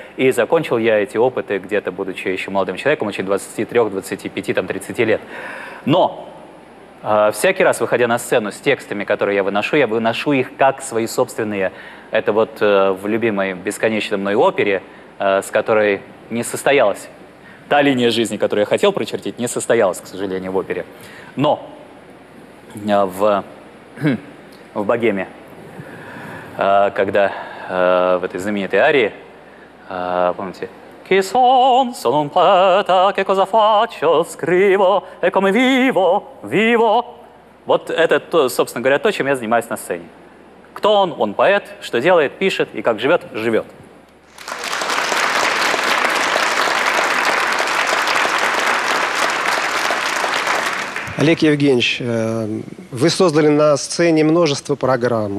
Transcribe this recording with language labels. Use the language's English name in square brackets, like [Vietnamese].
[Russian] И закончил я эти опыты где-то, будучи еще молодым человеком, очень 23-25, там, 30 лет. Но! Всякий раз, выходя на сцену с текстами, которые я выношу их как свои собственные. Это вот в любимой бесконечной мной опере, с которой не состоялась. Та линия жизни, которую я хотел прочертить, не состоялась, к сожалению, в опере. Но в «Богеме», когда в этой знаменитой арии, помните, [Italian] «Qui son, son un poeta, che cosa faccio, scrivo, e come vivo, vivo». [Russian] Вот это, собственно говоря, то, чем я занимаюсь на сцене. Кто он поэт, что делает, пишет, и как живет, живет. Олег Евгеньевич, вы создали на сцене множество программ.